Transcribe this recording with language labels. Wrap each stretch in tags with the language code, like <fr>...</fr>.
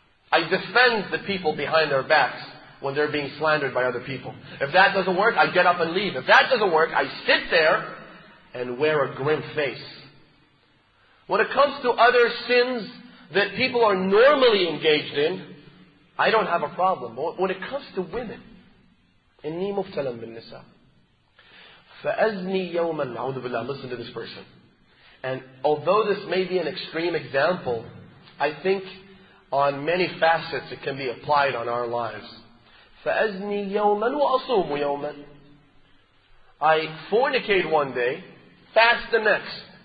<en>I defend the people behind their backs when they're being slandered by other people. If that doesn't work, I get up and leave. If that doesn't work, I sit there and wear a grim face. When it comes to other sins that people are normally engaged in, I don't have a problem. But when it comes to women,</en> <ar>إِنِّي مُفْتَلَمْ بِالنِّسَىٰ فَأَزْنِي يَوْمًا أَعُوذُ بِاللَّهِ.</ar> <en>Listen to this person. And although this may be an extreme example, I think on many facets it can be applied on our lives.</en> <ar>فَأَزْنِي يَوْمًا وَأَصُومُ يَوْمًا.</ar> <en>I fornicate one day, fast the next.</en>